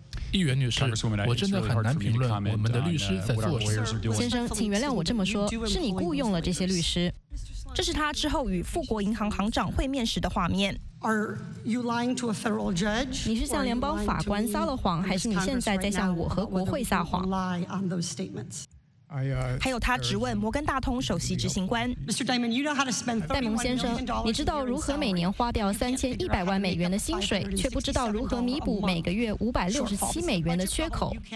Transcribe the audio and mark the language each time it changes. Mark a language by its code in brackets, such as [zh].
[zh] 议员女士，我真的很难评论我们的律师在做什么。先生，请原谅我这么说，是你雇佣了这些律师。这是他之后与富国银行行长会面时的画面。 [en] Are you lying to a federal judge? [zh] 你是向联邦法官撒了谎，还是你现在在向我和国会撒谎？还有他质问摩根大通首席执行官戴蒙先生，你知道如何每年花掉3100万美元的薪水，却不知道如何弥补每个月567美元的缺口。